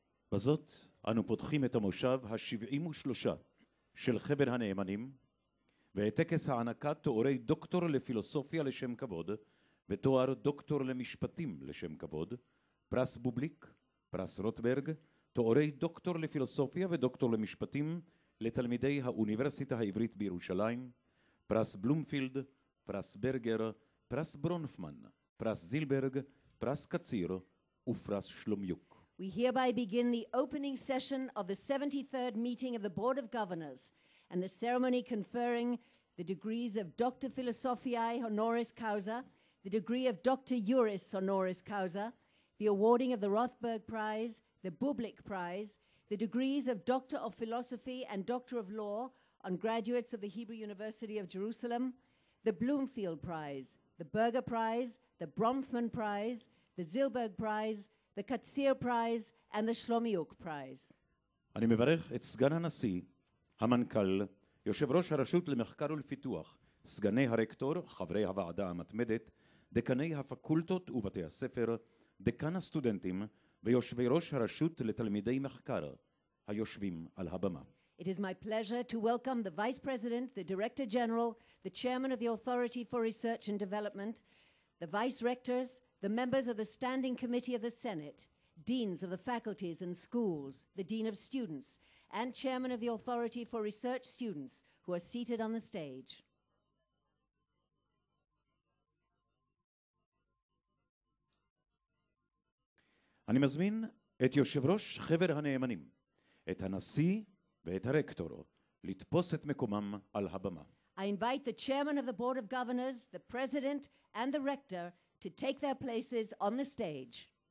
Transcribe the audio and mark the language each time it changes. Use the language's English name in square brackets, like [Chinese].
[Hebrew] בזאת אנו פותחים את המושב ה-73 של חבר הנאמנים ואת טקס הענקת תוארי דוקטור לפילוסופיה לשם כבוד ותואר דוקטור למשפטים לשם כבוד, פרס בובליק, פרס רוטברג, תוארי דוקטור לפילוסופיה ודוקטור למשפטים לתלמידי האוניברסיטה העברית בירושלים, פרס בלומפילד, פרס ברגר, פרס ברונפמן, פרס זילברג, פרס קציר ופרס שלומיוק. [English] We hereby begin the opening session of the 73rd meeting of the Board of Governors and the ceremony conferring the degrees of Doctor Philosophiae Honoris Causa, the degree of Doctor Juris Honoris Causa, the awarding of the Rothberg Prize, the Bublik Prize, the degrees of Doctor of Philosophy and Doctor of Law on graduates of the Hebrew University of Jerusalem, the Bloomfield Prize, the Berger Prize, the Bronfman Prize, the Zilberg Prize, the Katzir Prize and the Shlomiuk Prize. [Hebrew] אני מברך את סגן הנשיא, המנכ"ל, יושב ראש הרשות למחקר ולפיתוח, סגני הרקטור, חברי הוועדה המתמדת, דקני הפקולטות ובתי הספר, דקן הסטודנטים ויושבי ראש הרשות לתלמידי מחקר היושבים על הבמה. [English] It is my pleasure to welcome the Vice President, the Director General, the Chairman of the Authority for Research and Development, the Vice Rectors, the members of the Standing Committee of the Senate, deans of the faculties and schools, the Dean of Students, and Chairman of the Authority for Research Students, who are seated on the stage. [Hebrew] אני מזמין את יושב ראש חבר הנאמנים, את הנשיא ואת הרקטור, לתפוס את מקומם על הבמה. [English] I invite the Chairman of the Board of Governors, the President and the Rector, to take their places on the stage.